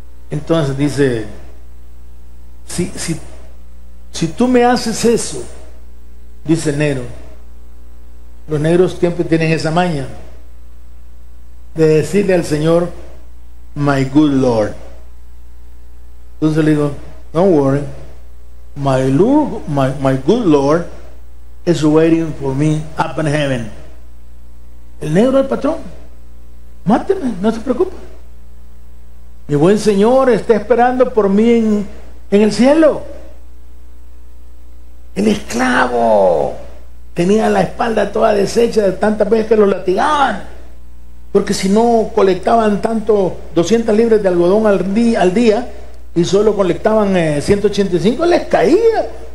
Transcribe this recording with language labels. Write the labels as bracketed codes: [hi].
[es] Entonces dice, si tú me haces eso, dice el negro, los negros siempre tienen esa maña de decirle al Señor, [en] my good Lord. [es] Entonces le digo, [en] don't worry, my good Lord is waiting for me up in heaven. [es] El negro al patrón, máteme, no se preocupe, mi buen Señor está esperando por mí en el cielo. El esclavo tenía la espalda toda deshecha de tantas veces que lo latigaban, porque si no colectaban tanto, 200 libras de algodón al día, y solo colectaban 185, les caía.